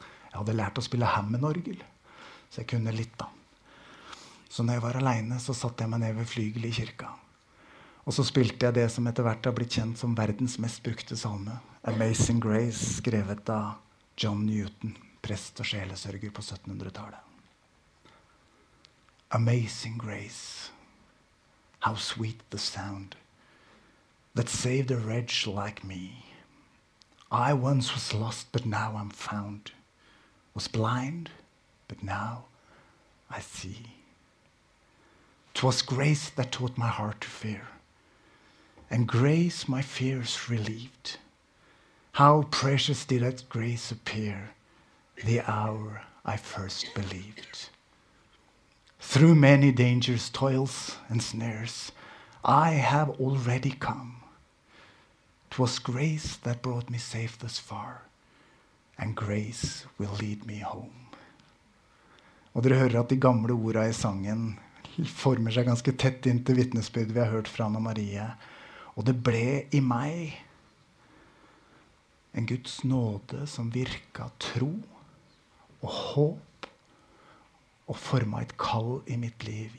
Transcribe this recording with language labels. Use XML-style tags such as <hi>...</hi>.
<no>Jeg hadde lært å spille Hammond-orgel, så jeg kunne litt da. Så når jeg var alene, så satte jeg meg ned ved flygelet i kirka. Og så spilte jeg det som etter hvert har blitt kjent som verdens mest brukte salme, Amazing Grace, skrevet av John Newton, prest og sjelesørger på 1700-tallet.</no> <en>Amazing Grace, how sweet the sound that saved a wretch like me. I once was lost, but now I'm found. Was blind, but now I see. 'Twas grace that taught my heart to fear, and grace my fears relieved. How precious did that grace appear the hour I first believed. Through many dangers, toils, and snares, I have already come. 'Twas grace that brought me safe thus far, and grace will lead me home.</en> <no>Og dere hører at de gamle ordene i sangen former seg ganske tett inn til vitnesbyrdet vi har hørt fra Anna-Marie. Og det ble i meg en Guds nåde som virka tro og håp og forma et kall i mitt liv.</no>